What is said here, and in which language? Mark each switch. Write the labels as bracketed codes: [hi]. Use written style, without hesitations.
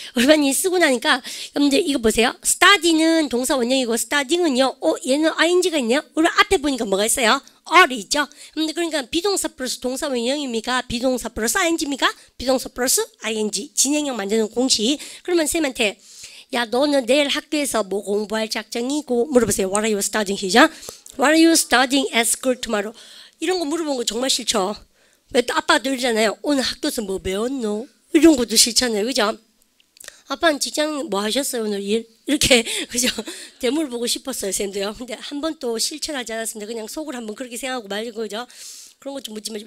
[ko] 우리반이 쓰고 나니까 여러분들 이거 보세요. study는 동사 원형이고 studying은요. 얘는 ing가 있네요. 우리 앞에 보니까 뭐가 있어요? are 있죠? 여러분들 그러니까 비동사 플러스 동사 원형입니까? 비동사 플러스 ing입니까? 비동사 플러스 ing. 진행형 만드는 공식. 그러면 쌤한테 야 너는 내일 학교에서 뭐 공부할 작정이고 물어보세요. [en] What are you studying? [ko] 시죠? [en] What are you studying at school tomorrow? [ko] 이런 거 물어본 거 정말 싫죠? 왜 또 아빠도 이러잖아요. 오늘 학교에서 뭐 배웠노? 이런 것도 싫잖아요. 그죠? 아빠는 직장 뭐 하셨어요? 오늘 일? 이렇게, 그죠? 대물 보고 싶었어요, 쌤도요. 근데 한 번 또 실천하지 않았습니다. 그냥 속으로 한번 그렇게 생각하고 말고, 그죠? 그런 것 좀 묻지 마세요.